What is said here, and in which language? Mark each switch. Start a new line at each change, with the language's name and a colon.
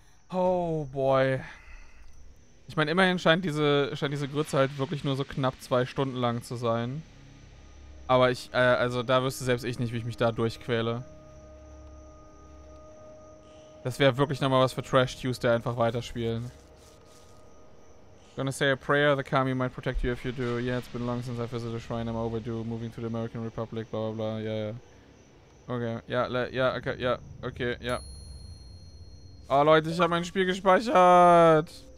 German: Oh boy. Ich meine, immerhin scheint diese Grütze halt wirklich nur so knapp 2 Stunden lang zu sein. Aber ich, also da wüsste selbst ich nicht, wie ich mich da durchquäle. Das wäre wirklich nochmal was für Trash Tuesday, einfach weiterspielen.
English: Gonna say a prayer, the Kami might protect you if you do. Yeah, it's been long since I visited a shrine, I'm overdue, moving to the American Republic, blah blah blah, yeah, yeah.
German: Okay, ja, okay. Oh Leute, ich habe mein Spiel gespeichert.